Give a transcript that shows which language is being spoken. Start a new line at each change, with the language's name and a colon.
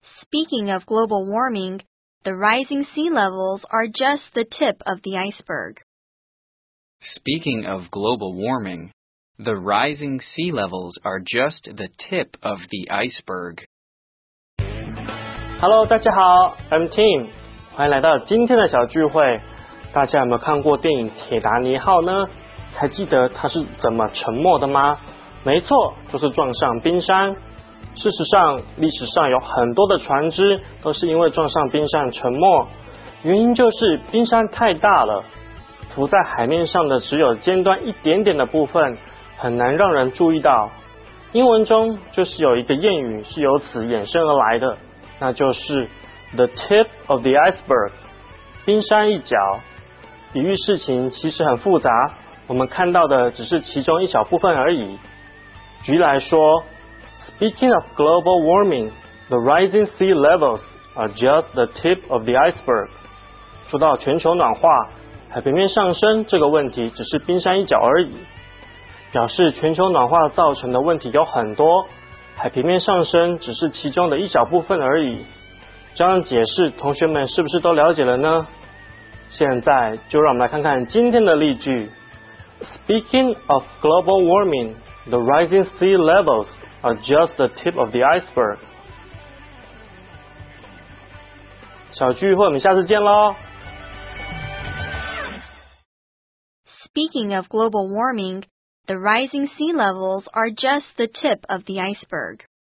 English: Speaking of global warming, the rising sea levels are just the tip of the iceberg. Speaking of global warming, The rising sea levels are just the tip of the iceberg.
Chinese: Hello, 大家好
English: I'm Tim.
Chinese: 欢迎来到今天的小聚会。大家有没有看过电影《铁达尼号》呢？还记得它是怎么沉没的吗？没错，就是撞上冰山。事实上，历史上有很多的船只都是因为撞上冰山沉没，原因就是冰山太大了，浮在海面上的只有尖端一点点的部分，很难让人注意到。英文中就是有一个谚语是由此衍生而来的，那就是
English: The tip of the iceberg，
Chinese: 冰山一角。比喻事情其实很复杂，我们看到的只是其中一小部分而已。举例来说，
English: Speaking of global warming, the rising sea levels are just the tip of the iceberg.
Chinese: 说到全球暖化，海平面上升这个问题只是冰山一角而已。表示全球暖化造成的问题有很多，海平面上升只是其中的一小部分而已。这样解释，同学们是不是都了解了呢？现在就让我们来看看今天的例句。
English: Speaking of global warming, the rising sea levels are just the tip of the iceberg.
Chinese: 小聚会，我们下次见喽。
English: Speaking of global warming, the rising sea levels are just the tip of the iceberg.